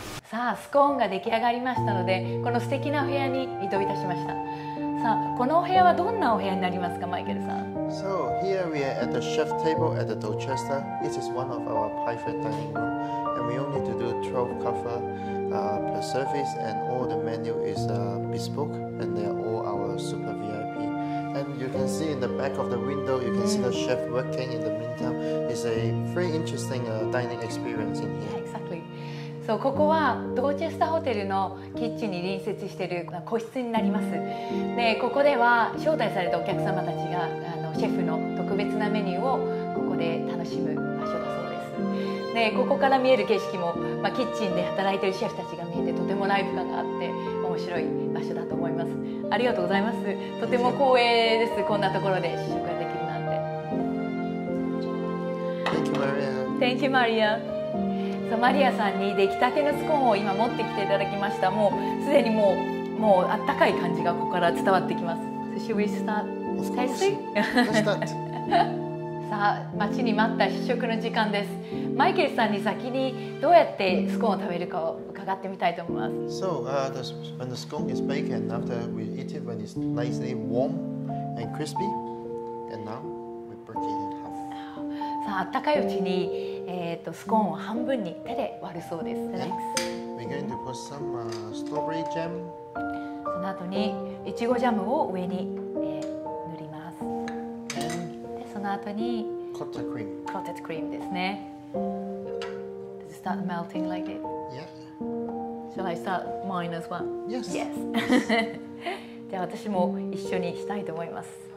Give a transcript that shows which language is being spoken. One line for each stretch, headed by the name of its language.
Japanese: さあ、スコーンが出来上がりましたので、この素敵な部屋に移動いたしました。このお部屋はどんなお部屋になりますか、マイケルさん。
English: So here we are at the chef table at the Dorchester. This is one of our private dining room, and we only to do 12 cover per service, and all the menu is bespoke, and they are all our super VIP. And you can see in the back of the window, you can see the chef working in the meantime. It's a very interesting dining experience in here. Exactly.
Japanese: So ここはドーチェスターホテルのキッチンに隣接している個室になります。でここでは招待されたお客様たちがシェフの特別なメニューをここで楽しむ場所だそうです。でここから見える景色も、まあ、キッチンで働いているシェフたちが見えてとてもライブ感があって面白い場所だと思います。ありがとうございます。とても光栄です、こんなところで試食ができるなんて。
English: Thank you, Maria. Thank you, Maria.
Japanese: So, マリアさんに出来たてのスコーンを今持ってきていただきました。もうすでにもうあったかい感じがここから伝わってきます。
English: So should we start tasting? Let's start.
Japanese: さあ待ちに待った試食の時間です。マイケルさんに先にどうやってスコーンを食べるかを伺ってみたいと思います。
English: So when the scone is baked and after we eat it when it's nicely warm and crispy and now we break it in half.
Japanese: さあ、あったかいうちに、スコーンを半分に手で割るそうです。
English: We're going to put some strawberry jam.
Japanese: その後にいちごジャムを上に、塗ります。
English: And、
Japanese: でその後に
English: clotted cream. Clotted cream
Japanese: ですね。
English: Does it start melting like it? Yeah. Shall I start mine as well? Yes. Yes.
Japanese: じゃあ私も一緒にしたいと思います。